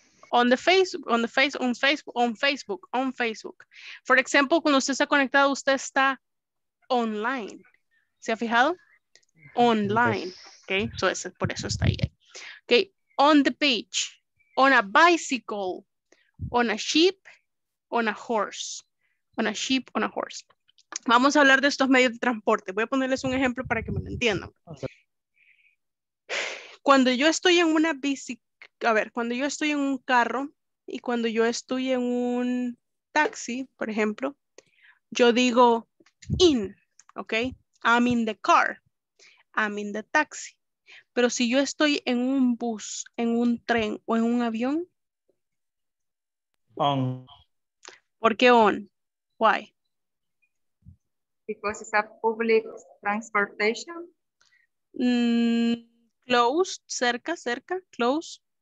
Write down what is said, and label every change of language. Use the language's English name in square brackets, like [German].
[English] On the face, on the face, on Facebook, on Facebook, on Facebook. For example, [Spanish] cuando usted está conectado, usted está online. ¿Se ha fijado? Online, ¿ok? So ese, por eso está ahí. ¿Ok? [English] On the beach, on a bicycle, on a ship, on a horse, on a ship, on a horse. [Spanish] Vamos a hablar de estos medios de transporte. Voy a ponerles un ejemplo para que me lo entiendan. Okay. Cuando yo estoy en una bici, a ver, cuando yo estoy en un carro y cuando yo estoy en un taxi, por ejemplo, yo digo in, ¿ok? [English] I'm in the car, I'm in the taxi. [Spanish] Pero si yo estoy en un bus, en un tren o en un avión, [English] on. [Spanish] ¿Por qué on? Why? [English] Because it's a public transportation. Closed, cerca, close.